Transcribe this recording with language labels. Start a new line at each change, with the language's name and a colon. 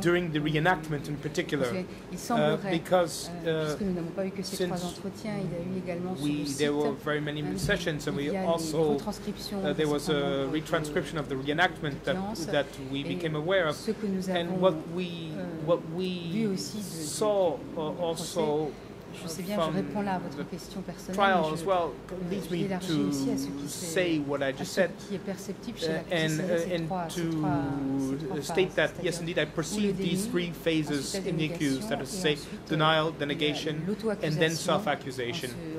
English: during the reenactment in particular, there were very many sessions, and we also there was a retranscription of the reenactment that we became aware of, and what we saw also.
French: Je sais bien, je réponds là à votre question personnelle. Je vais élargir aussi à ce qui est perceptible chez l'accusé.
English: State that yes, indeed, I perceive these three phases in the accused, that is, say, denial, denegation, and then self-accusation.